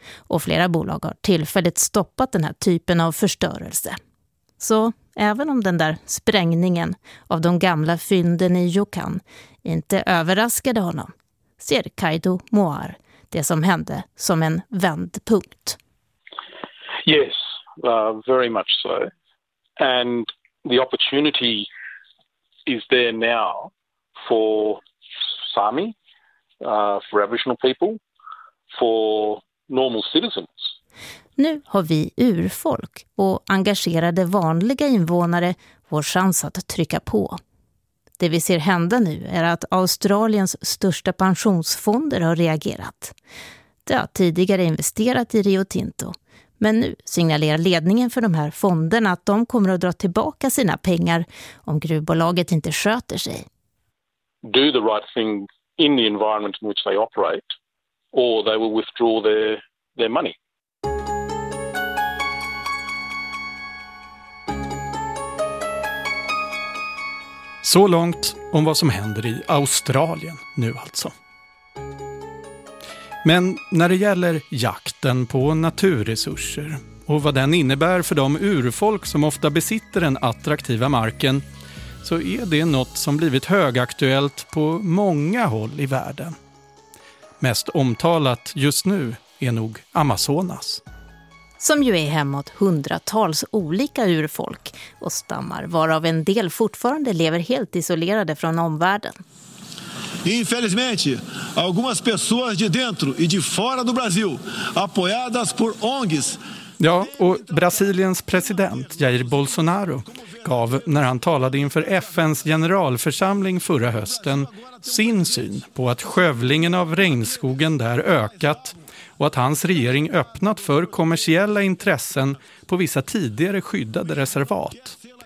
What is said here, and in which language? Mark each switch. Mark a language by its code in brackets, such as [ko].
[sv] Och flera bolag har tillfälligt stoppat den här typen av förstörelse. Så även om den där sprängningen av de gamla fynden i Yukon inte överraskade honom, ser Kaido Moir det som hände som en vändpunkt. [en] Yes, very much so. And the opportunity is there now for Sami, for Aboriginal people, for normal citizens. [sv] Nu har vi urfolk och engagerade vanliga invånare vår chans att trycka på. Det vi ser hända nu är att Australiens största pensionsfonder har reagerat. De har tidigare investerat i Rio Tinto. Men nu signalerar ledningen för de här fonderna att de kommer att dra tillbaka sina pengar om gruvbolaget inte sköter sig. [en] Do the right thing in the environment in which they operate, or they will withdraw their money. [sv] Så långt om vad som händer i Australien nu alltså. Men när det gäller jakten på naturresurser och vad den innebär för de urfolk som ofta besitter den attraktiva marken, så är det något som blivit högaktuellt på många håll i världen. Mest omtalat just nu är nog Amazonas. Som ju är hemåt hundratals olika urfolk och stammar, varav en del fortfarande lever helt isolerade från omvärlden. [pt] Infelizmente, algumas pessoas de dentro e de fora do Brasil, apoiadas por ONGs. [sv] Ja, och Brasiliens president Jair Bolsonaro gav, när han talade inför FNs generalförsamling förra hösten, sin syn på att skövlingen av regnskogen där ökat och att hans regering öppnat för kommersiella intressen på vissa tidigare skyddade reservat.